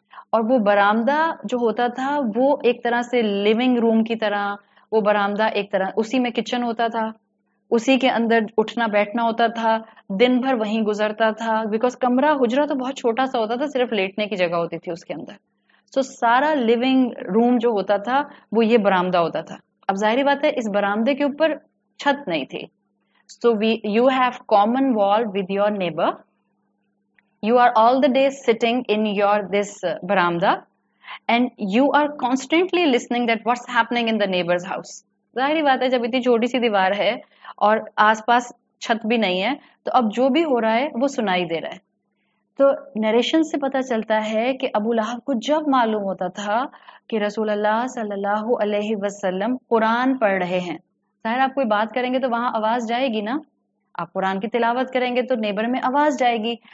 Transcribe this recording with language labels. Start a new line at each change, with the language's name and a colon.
Urdu: اور وہ برآمدہ جو ہوتا تھا وہ ایک طرح سے لیونگ روم کی طرح، وہ برآمدہ ایک طرح اسی میں کچن ہوتا تھا، اسی کے اندر اٹھنا بیٹھنا ہوتا تھا، دن بھر وہیں گزرتا تھا. بیکاز کمرہ حجرہ تو بہت چھوٹا سا ہوتا تھا، صرف لیٹنے کی جگہ ہوتی تھی اس کے اندر. سو سارا لیونگ روم جو ہوتا تھا وہ یہ برآمدہ ہوتا تھا. اب ظاہری بات ہے اس برآمدے کے اوپر چھت نہیں تھی.
English: So you have common wall with your neighbor. You are all the day sitting in your this baramda. And you are constantly listening that what's happening in the neighbor's house.
Urdu: ظاہری بات ہے جب اتنی چھوٹی سی دیوار ہے اور آس پاس چھت بھی نہیں ہے, تو اب جو بھی ہو رہا ہے وہ سنائی دے رہا ہے. تو نریشن سے پتہ چلتا ہے کہ ابو لہب کو جب معلوم ہوتا تھا کہ رسول اللہ صلی اللہ علیہ وسلم قرآن پڑھ رہے ہیں, ظاہر آپ کوئی بات کریں گے تو وہاں آواز جائے گی نا, آپ قرآن کی تلاوت کریں گے تو نیبر میں آواز جائے گی.